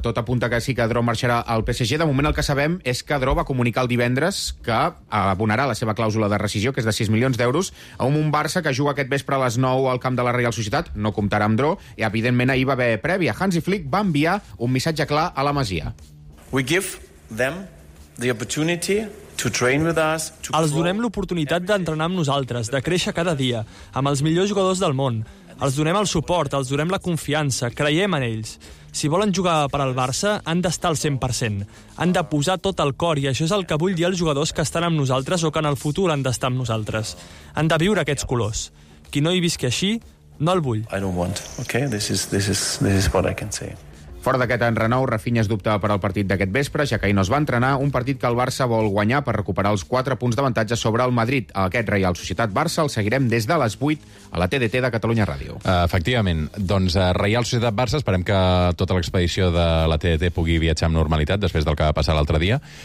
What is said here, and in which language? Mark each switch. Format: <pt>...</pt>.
<ca>Tot apunta que sí que Drom marxarà al PSG. De moment el que sabem és que Drom va comunicar el divendres que abonarà la seva clàusula de rescisió, que és de 6 milions d'euros, a un Barça que juga aquest vespre a les 9 al camp de la Real Societat. No comptarà amb Drom i, evidentment, ahir va haver prèvia. Hansi Flick va enviar un missatge clar a la Masia.</ca> <en>We give them the opportunity to train with us, to</en> <ca>els donem l'oportunitat d'entrenar amb nosaltres, de créixer cada dia, amb els millors jugadors del món. Els donem el suport, els donem la confiança, creiem en ells. Si volen jugar per al Barça, han d'estar al 100%. Han de posar tot el cor, i això és el que vull dir als jugadors que estan amb nosaltres o que en el futur han d'estar amb nosaltres. Han de viure aquests colors. Qui no hi visqui així, no el vull.</ca> <en>I don't want, okay? This is what I can say.</en> <ca>Fora d'aquest enrenou, Rafinha es dubta per al partit d'aquest vespre, ja que ahir no es va entrenar, un partit que el Barça vol guanyar per recuperar els 4 punts d'avantatge sobre el Madrid. A aquest Real Societat Barça el seguirem des de les 8 a la TDT de Catalunya Ràdio. Efectivament. Doncs Real Societat Barça, esperem que tota l'expedició de la TDT pugui viatjar amb normalitat després del que va passar l'altre dia.</ca>